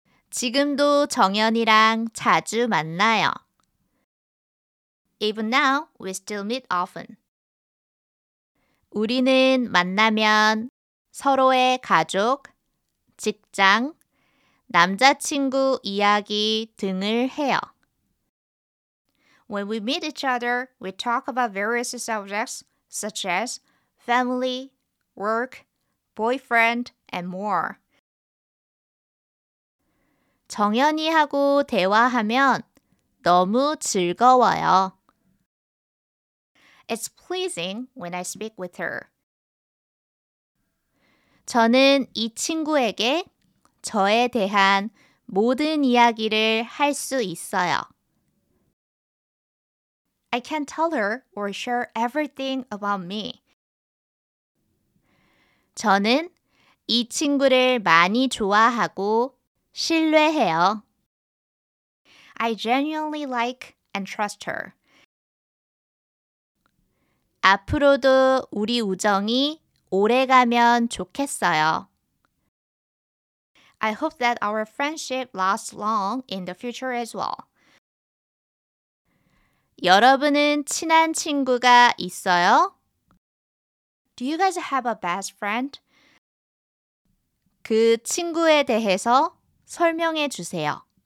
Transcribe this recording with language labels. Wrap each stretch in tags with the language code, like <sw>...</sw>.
<ko>지금도 정연이랑 자주 만나요.</ko> <en>Even now, we still meet often.</en> <ko>우리는 만나면 서로의 가족, 직장, 남자친구 이야기 등을 해요.</ko> <en>When we meet each other, we talk about various subjects such as family, work, boyfriend, and more.</en> <ko>정연이하고 대화하면 너무 즐거워요.</ko> <en>It's pleasing when I speak with her.</en> <ko>저는 이 친구에게 저에 대한 모든 이야기를 할 수 있어요.</ko> <en>I can tell her or share everything about me.</en> <ko>저는 이 친구를 많이 좋아하고 신뢰해요.</ko> <en>I genuinely like and trust her.</en> <ko>앞으로도 우리 우정이 오래가면 좋겠어요.</ko> <en>I hope that our friendship lasts long in the future as well.</en> <ko>여러분은 친한 친구가 있어요?</ko> <en>Do you guys have a best friend?</en> <ko>그 친구에 대해서 설명해 주세요.</ko>